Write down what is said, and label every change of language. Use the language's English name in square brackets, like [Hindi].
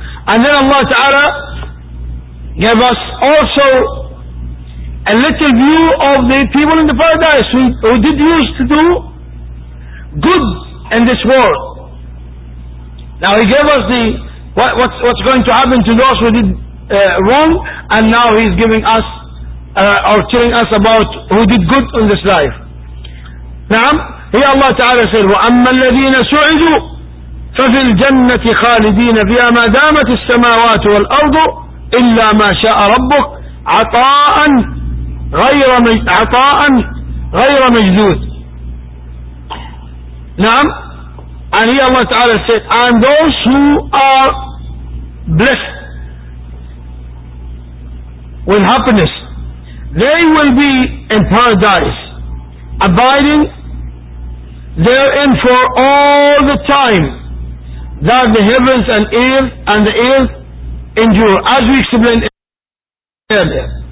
[English] And then Allah Ta'ala gave us also a little view of the people in the paradise who did used to do good in this world. Now He gave us the what's going to happen to those who did wrong, and now He's giving us or telling us about who did good in this life. [Arabic] Naam, [English] here Allah Ta'ala said, [Arabic] وَأَمَّا الَّذِينَ سُعِدُوا فَفِي الْجَنَّةِ خَالِدِينَ فِيهَا مَا دَامَتِ السَّمَاوَاتُ وَالْأَرْضُ إِلَّا مَا شَاءَ رَبُّكَ عَطَاءً غير عطاء غير مجدود. نعم. [English] And here Allah Ta'ala said, and those who are blessed with happiness, they will be in paradise, abiding therein for all the time that the heavens and earth and the earth endure, as we explained earlier.